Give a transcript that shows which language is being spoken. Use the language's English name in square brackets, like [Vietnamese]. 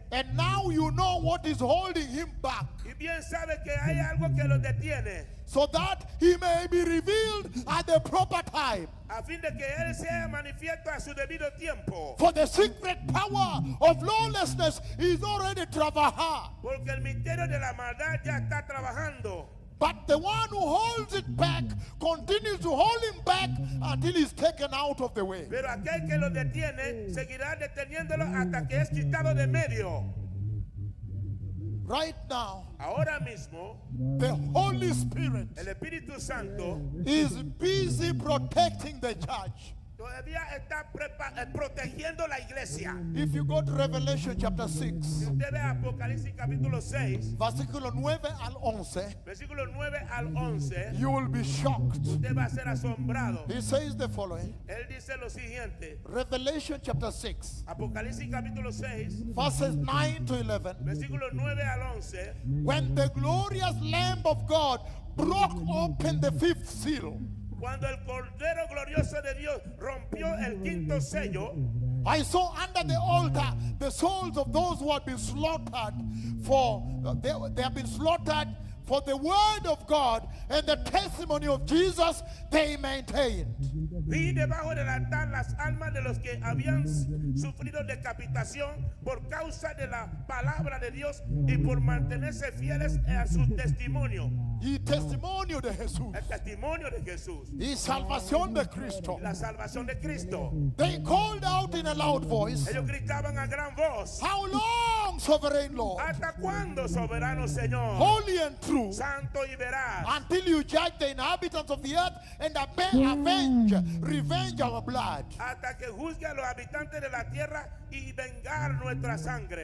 [English] and now you know what is holding him back. [Spanish] Y bien sabe que hay algo que lo detiene. [English] So that he may be revealed at the proper time. [Spanish] A fin de que él sea manifiesto a su debido tiempo. [English] For the secret power of lawlessness is already [Spanish] trabajar. Porque el misterio de la maldad ya está trabajando. [English] But the one who holds it back continues to hold him back until he's taken out of the way. [Spanish] Pero aquel que lo detiene seguirá deteniéndolo hasta que es quitado de medio. [English] Right now, [Spanish] ahora mismo, [English] the Holy Spirit, [Spanish] el Espíritu Santo, [English] is busy protecting the church. [Spanish] Todavía está protegiendo la iglesia. [English] If you go to Revelation chapter 6, [Spanish] si usted ve Apocalipsis capítulo 6, versículo 9 al 11, versículo 9 al 11, [English] you will be shocked. [Spanish] Usted va a ser asombrado. [English] He says the following. [Spanish] Él dice lo siguiente. [English] Revelation chapter 6, [Spanish] Apocalipsis capítulo 6, [English] verses 9 to 11, [Spanish] versículo 9 al 11, [English] when the glorious Lamb of God broke open the fifth seal, [Spanish] cuando el Cordero Glorioso de Dios rompió el quinto sello, [English] I saw under the altar the souls of those who had been slaughtered for they have been slaughtered for the word of God and the testimony of Jesus they maintained. [Spanish] Vi debajo del altar las almas de los que habían sufrido decapitación por causa de la palabra de Dios y por mantenerse fieles a su testimonio. Y testimonio de Jesús. El testimonio de Jesús. Y salvación de Cristo. La salvación de Cristo. [English] They called out in a loud voice. [Spanish] Ellos gritaban a gran voz. [English] How long, sovereign Lord? [Spanish] ¿Hasta cuándo, soberano Señor? [English] Holy and true. [Spanish] Santo y veraz. [English] Until you judge the inhabitants of the earth and avenge, revenge our blood. [Spanish] Hasta que juzgue a los habitantes de la tierra y vengar nuestra sangre.